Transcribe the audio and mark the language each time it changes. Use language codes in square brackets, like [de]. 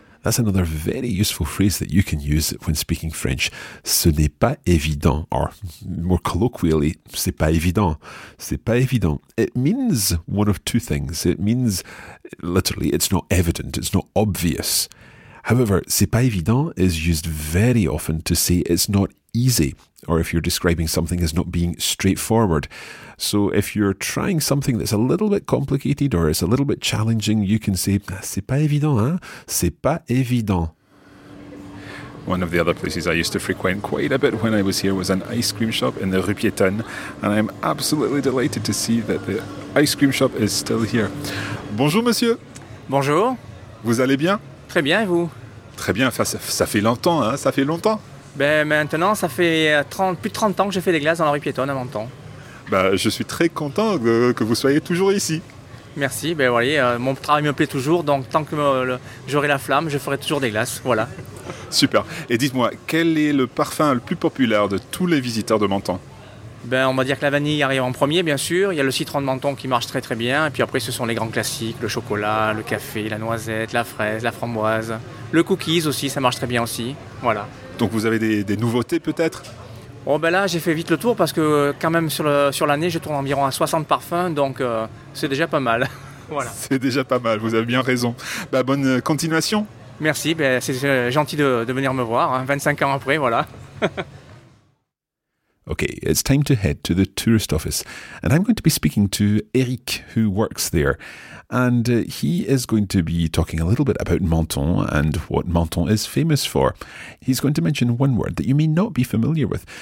[en] That's another very useful phrase that you can use when speaking French. [fr] Ce n'est pas évident, [en] or more colloquially, [fr] c'est pas évident. C'est pas évident. [en] It means one of two things. It means, literally, it's not evident, it's not obvious. However, [fr] c'est pas évident [en] is used very often to say it's not easy, or if you're describing something as not being straightforward. So if you're trying something that's a little bit complicated or it's a little bit challenging, you can say, [fr] c'est pas évident, hein? C'est pas évident. [en] One of the other places I used to frequent quite a bit when I was here was an ice cream shop in the Rue Piétonne, and I'm absolutely delighted to see that the ice cream shop is still here. [fr] Bonjour, monsieur. Bonjour. Vous allez bien? Très bien, et vous? Très bien, ça fait longtemps, hein? Ça fait longtemps. Ben maintenant, ça fait plus de 30 ans que j'ai fait des glaces dans la rue Piétonne à Menton. Ben, je suis très content que vous soyez toujours ici. Merci, ben voyez, mon travail me plaît toujours, donc tant que j'aurai la flamme, je ferai toujours des glaces, voilà. Super, et dites-moi, quel est le parfum le plus populaire de tous les visiteurs de Menton? Ben on va dire que la vanille arrive en premier, bien sûr, il y a le citron de Menton qui marche très très bien, et puis après ce sont les grands classiques, le chocolat, le café, la noisette, la fraise, la framboise, le cookies aussi, ça marche très bien aussi, voilà. Donc vous avez des nouveautés peut-être? Oh ben là j'ai fait vite le tour parce que quand même sur l'année je tourne environ à 60 parfums, donc c'est déjà pas mal. Voilà. C'est déjà pas mal, vous avez bien raison. Ben, bonne continuation. Merci, ben, c'est gentil de venir me voir, hein, 25 ans après, voilà. [en] Okay, it's time to head to the tourist office. And I'm going to be speaking to Eric, who works there. And he is going to be talking a little bit about Menton and what Menton is famous for. He's going to mention one word that you may not be familiar with.